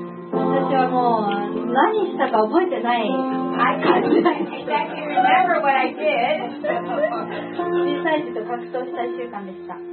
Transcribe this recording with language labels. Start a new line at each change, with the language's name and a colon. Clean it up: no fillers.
Japanese: 私はもう何したか覚えてない感じ。
English: I can't exactly remember what I did.
Japanese: 小さい時と格闘した1週間でした。